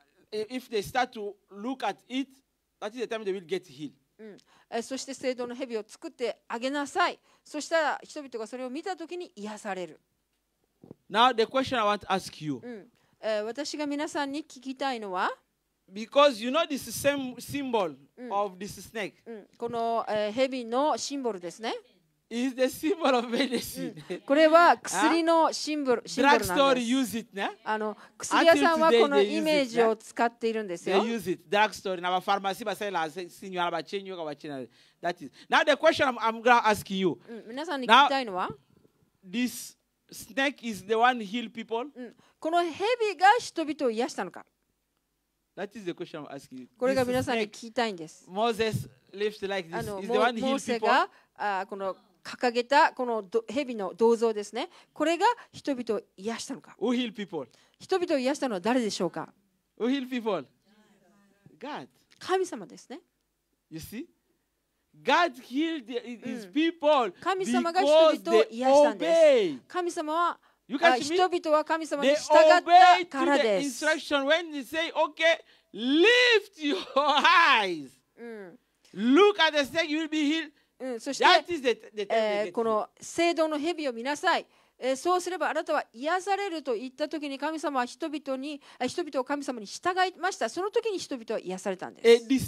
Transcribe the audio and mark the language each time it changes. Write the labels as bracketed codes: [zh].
[en] If they start to look at it, that is the time they will get healed. [ja] そして聖堂の蛇を作ってあげなさい。そしたら人々がそれを見たときに癒される。 [en] Now the question I want to ask you. [ja] 私が皆さんに聞きたいのは、 [en] Because you know this same symbol of this snake. [ja] この蛇のシンボルですね。 [en] Is the symbol of medicine. [ja] これは薬のシンボル、シンボルなんです。 [en] Drugstore use it, ね。 [ja] 薬屋さんはこのイメージを使っているんですよ。 [en] They use it. Drugstore. Now, pharmacy, but say, "Lah, sin yo, abah chen yo, kawah chen." That is. Now, the question I'm going to ask you. [ja] 皆さんに聞きたいのは、 [en] this snake is the one heal people. [ja] この蛇が人々を癒したのか。 [en] That is the question I'm asking you. [ja] これが皆さんに聞きたいんです。 [en] Moses lifts like this. Is the one heal people? [ja] モーセが、この掲げたこの蛇の銅像ですね。これが人々を癒したのか。 [en] Who heal people? [ja] 人々を癒したのは誰でしょうか。 [en] Who heal people? God. [ja] 神様ですね。 [en] You see? God healed His people. [ja] 神様が人々を癒したんです。神様は人々は神様に従ったからです。 [en] The instruction when they say, "Okay, lift your eyes. Look at the snake. You will be healed." [ja] そして、この聖堂の蛇を見なさい、そうすればあなたは癒されると言った時に神様は人々を神様に従いました。その時に人々は癒されたんです。